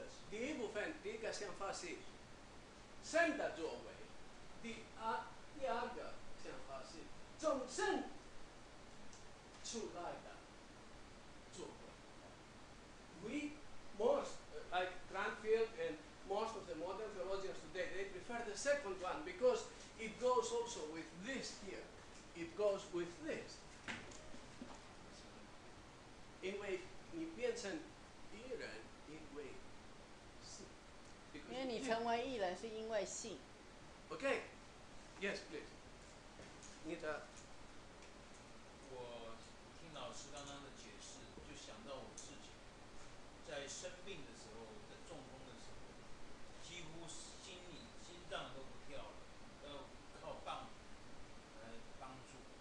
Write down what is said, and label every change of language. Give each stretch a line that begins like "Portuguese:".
Chinese: 第一个想法是神的作为。第二个想法是从神出来的作为。
English: Like Cranfield and most of the modern theologians today, they prefer the second one because it goes also with this here. It goes with this.
Chinese: 因为你变成义人，因为信。因为你成为义人是因为信。
English: Okay. Yes, please.
Chinese: 你的，我听老师刚刚的解释，就想到我自己，在生病的时候，在中风的时候，几乎心脏都不跳了，要靠棒来帮助。